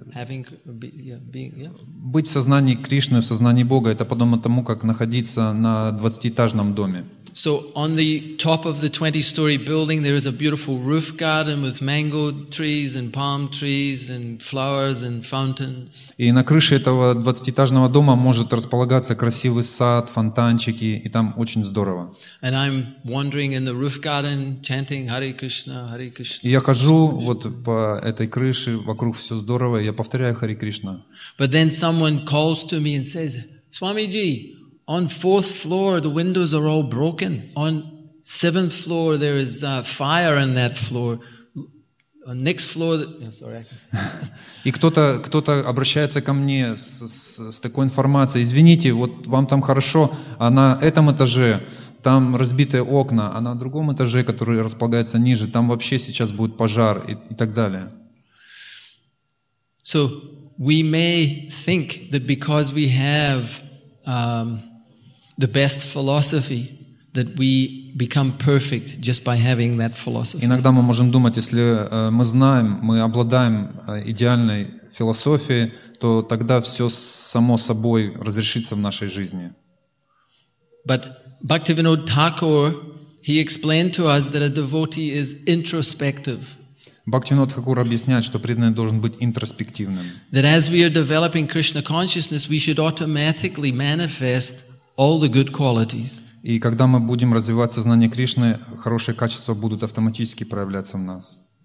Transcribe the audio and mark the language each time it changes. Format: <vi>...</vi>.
<ru>Быть в сознании Кришны, в сознании Бога, это подобно тому, как находиться на 20-этажном доме.</ru> <en>So on the top of the 20-story building there is a beautiful roof garden with mango trees and palm trees and flowers and fountains.</en> <ru>И на крыше этого 20-этажного дома может располагаться красивый сад, фонтанчики, и там очень здорово.</ru> <en>And I'm wandering in the roof garden chanting Hare Krishna, Hare Krishna.</en> <ru>И я хожу вот по этой крыше, вокруг все здорово, я повторяю Hare Krishna.</ru> <en>But then someone calls to me and says, Swamiji, on fourth floor, the windows are all broken. On seventh floor, there is fire on that floor. next floor, sorry.</en> <ru>И кто-то обращается ко мне с такой информацией: извините, вот вам там хорошо, а на этом этаже там разбитые окна, а на другом этаже, который располагается ниже, там вообще сейчас будет пожар и так далее.</ru> <en>So we may think that because we have the best philosophy, that we become perfect just by having that philosophy.</en> <ru>Иногда мы можем думать, если мы знаем, мы обладаем идеальной философией, то тогда все само собой разрешится в нашей жизни.</ru> <en>But Bhaktivinoda Thakur, he explained to us that a devotee is introspective.</en> <ru>Бхактивинода Тхакур объясняет, что преданный должен быть интроспективным.</ru> <en>That as we are developing Krishna consciousness, we should automatically manifest all the good qualities.</en> <ru>И когда мы будем развивать сознание Кришны, хорошие качества будут автоматически проявляться в нас.</ru>